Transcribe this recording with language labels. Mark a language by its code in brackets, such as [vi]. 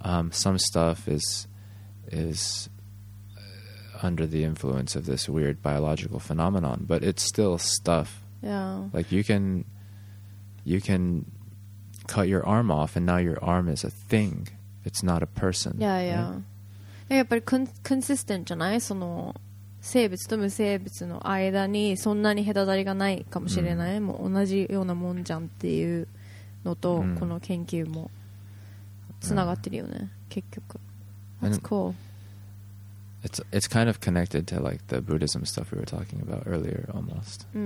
[en] Some stuff is under the influence of this weird biological phenomenon, but it's still stuff. Yeah. Like you can cut your arm off and now your arm is a thing. It's not a person. Yeah, yeah. Right? [ja] やっぱり [en] consistent [ja] じゃない? その生物と無生物の間にそんなに隔たりがないかもしれない、もう同じようなもんじゃんっていうのと、この研究もつながってるよね、結局。 [en] That's cool. It's kind of connected to like the Buddhism stuff we were talking about earlier, almost.